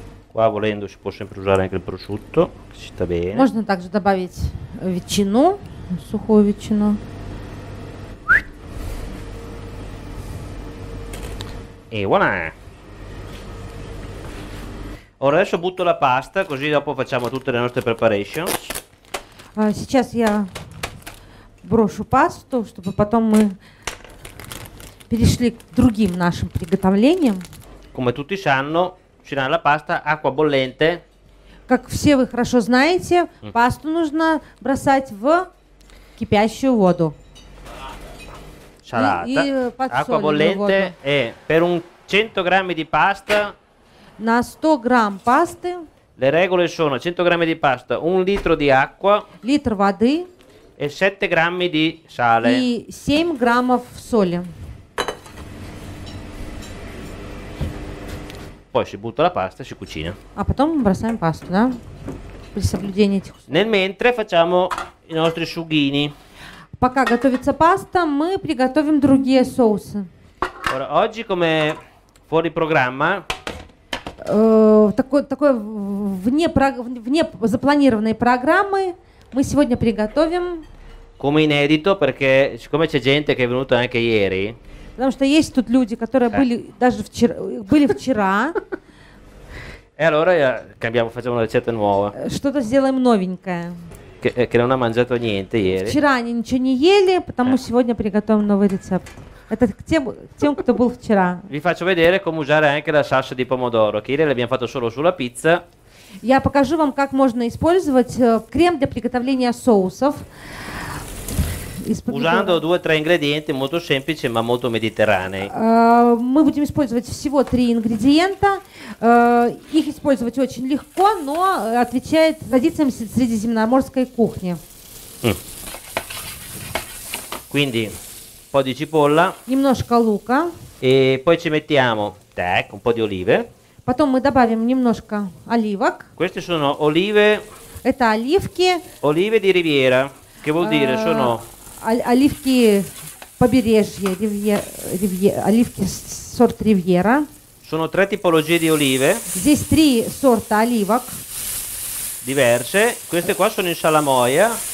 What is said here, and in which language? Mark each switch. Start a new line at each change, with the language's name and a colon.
Italian: Qua volendo si può sempre usare anche il prosciutto, che ci sta bene.
Russian: Можно также добавить ветчину, сухую ветчину.
Italian: E voilà! Ora adesso butto la pasta, così dopo facciamo tutte le nostre preparations.
Russian: Сейчас я брошу пасту, чтобы потом мы перешли к другим нашим приготовлениям.
Italian: Come tutti sanno, cucinare la pasta acqua bollente.
Russian: Как все вы хорошо знаете, пасту нужно бросать в кипящую воду.
Italian: Salata. И acqua bollente è per un 100 grammi di pasta.
Russian: На 100 грамм пасты.
Italian: Le regole sono 100 grammi di pasta, un litro di acqua.
Russian: Литр воды.
Italian: E 7 grammi di sale.
Russian: И 7 граммов соли.
Italian: Poi si butta la pasta e si cucina.
Russian: А потом бросаем пасту, да? При соблюдении этих условий.
Italian: Nel mentre facciamo i nostri sughini.
Russian: Пока готовится паста, мы приготовим другие соусы.
Italian: Ora, oggi come fuori programma.
Russian: Такой вне запланированной программы мы сегодня приготовим.
Italian: Come inedito, perché siccome c'è gente che è venuta anche ieri.
Russian: Потому что есть тут люди, которые были даже вчера, были вчера.
Italian: E allora cambiamo, facciamo una ricetta nuova.
Russian: Что-то сделаем новенькое.
Italian: Che non ha mangiato niente ieri.
Russian: Вчера они ничего не ели, потому сегодня приготовим новый рецепт. Это тем, кто был вчера.
Italian: Vi faccio vedere come usare anche la salsa di pomodoro, che ieri l'abbiamo fatto solo sulla pizza.
Russian: Я покажу вам, как можно использовать крем для приготовления соусов.
Italian: Usando due o tre ingredienti molto semplici ma molto mediterranei.
Russian: Мы будем использовать всего три ингредиента. Их использовать очень легко, но отвечает традициям средиземноморской кухни.
Italian: Quindi, un po' di cipolla.
Russian: Немножко лука.
Italian: E poi ci mettiamo, так, un po' di olive.
Russian: Потом мы добавим немножко оливок.
Italian: Queste sono olive.
Russian: Это оливки.
Italian: Olive di Riviera, che vuol dire sono.
Russian: Оливки побережья, оливки сорт Ривьера.
Italian: Sono tre tipologie di olive.
Russian: Здесь три сорта оливок.
Italian: Diverse. Queste qua sono in salamoia.